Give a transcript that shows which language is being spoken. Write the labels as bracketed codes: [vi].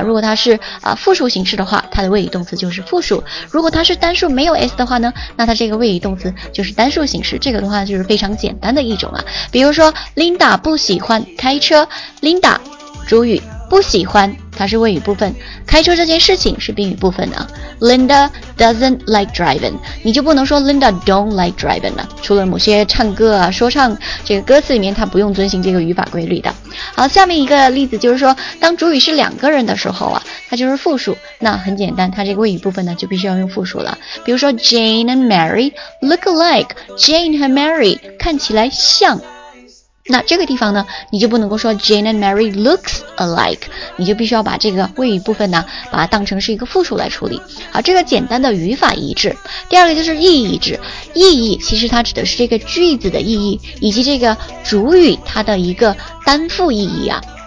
[zh] 如果它是复数形式的话，它的谓语动词就是复数；如果它是单数没有 s 的话呢，那它这个谓语动词就是单数形式。这个的话就是非常简单的一种啊。比如说 ，Linda 不喜欢开车 ，Linda 主语不喜欢。它是谓语部分，开车这件事情是宾语部分的。 [en] Linda doesn't like driving， [zh] 你就不能说 [en] Linda don't like driving 了。 [zh] 除了某些唱歌啊、说唱这个歌词里面，它不用遵循这个语法规律的。好，下面一个例子就是说，当主语是两个人的时候啊，它就是复数。那很简单，它这个谓语部分呢就必须要用复数了。 [en] 比如说 Jane and Mary look alike， Jane 和 Mary [zh] 看起来像。那这个地方呢，你就不能够说 [en] Jane and Mary looks alike， [zh] 你就必须要把这个谓语部分呢把它当成是一个复数来处理。好，这个简单的语法一致。第二个就是意义一致。意义其实它指的是这个句子的意义以及这个主语它的一个单复意义啊。